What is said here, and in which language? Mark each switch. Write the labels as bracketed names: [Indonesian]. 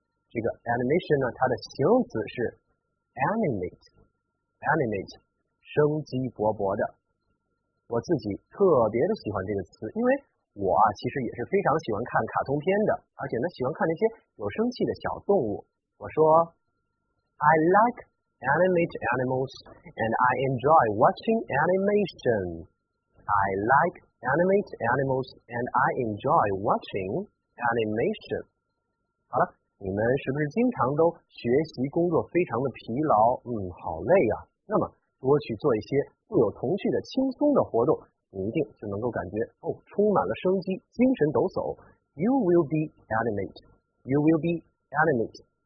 [Chinese] 这个 animation 呢，它的形容词是 animate， 生机勃勃的。我自己特别的喜欢这个词，因为我啊其实也是非常喜欢看卡通片的，而且呢喜欢看那些有生气的小动物。我说 [English] I like animate animals and I enjoy watching animation. I like animate animals and I enjoy watching animation. [Chinese] 好了，你们是不是经常都学习工作非常的疲劳，嗯，好累啊。那么多去做一些富有童趣的轻松的活动，你一定就能够感觉哦，充满了生机，精神抖擞。 [English] You will be animate. You will be animate.